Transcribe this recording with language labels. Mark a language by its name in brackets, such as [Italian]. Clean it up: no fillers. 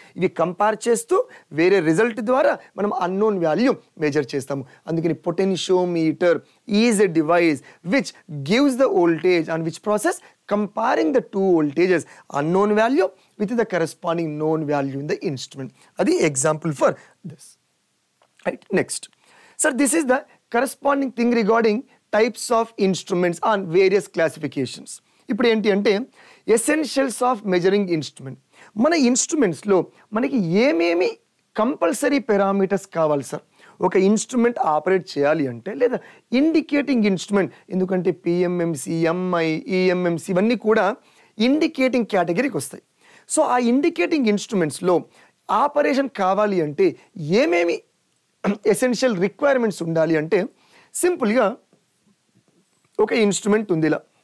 [Telugu] ఇవి కంపేర్ చేస్తూ వేరే రిజల్ట్ ద్వారా మనం అన్నోన్ వాల్యూ మెజర్ చేస్తాము. అందుకని [English] Potentiometer is a device which gives the voltage and which process comparing the 2 voltages unknown value with the corresponding known value in the instrument. That is the example for this. Right, next. Sir, this is the corresponding thing regarding types of instruments on various classifications. Now, what is the essentials of measuring instrument? In our instruments, what are the compulsory parameters? [Telugu] ఒక instrument operate చేయాలి అంటే లేదా indicating instrument, ఎందుకంటే PMMC MI eMMC ఇవన్నీ కూడా indicating కేటగిరీకి వస్తాయి. So ఆ ఇండికేటింగ్ ఇన్స్ట్రుమెంట్స్లో ఆపరేషన్ కావాలి అంటే ఏమేమి ఎసెన్షియల్ రిక్వైర్మెంట్స్ ఉండాలి అంటే సింపుల్గా ఒక ఇన్స్ట్రుమెంట్ ఉంది ఇలా.